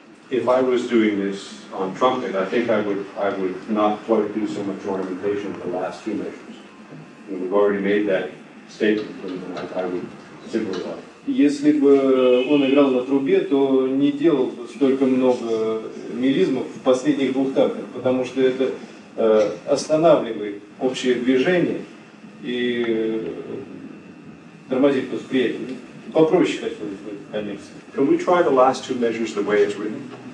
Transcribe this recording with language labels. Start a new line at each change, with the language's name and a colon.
English: If I was doing this on trumpet, I think I would not quite do so much ornamentation for the last two measures. And we've already made that statement, and I would simplify.
Russian: Если бы он играл на трубе, то не делал бы столько много мелизмов в последних двух тактах, потому что это останавливает общее движение и тормозит восприятие. Попроще хотелось бы, конечно.
English: Can we try the last two measures the way it's written?